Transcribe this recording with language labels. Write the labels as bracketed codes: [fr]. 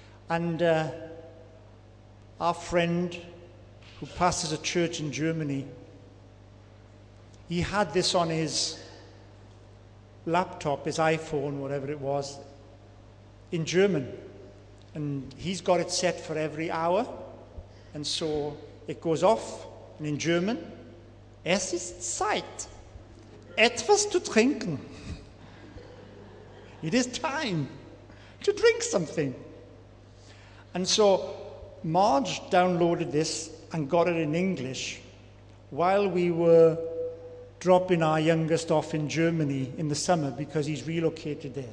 [en] And our friend who pastors a church in Germany, he had this on his laptop, his iPhone, whatever it was, in German. And he's got it set for every hour. And so it goes off, and in German, [de] es ist Zeit, etwas zu trinken. [en] It is time to drink something. And so Marge downloaded this and got it in English while we were dropping our youngest off in Germany in the summer because he's relocated there.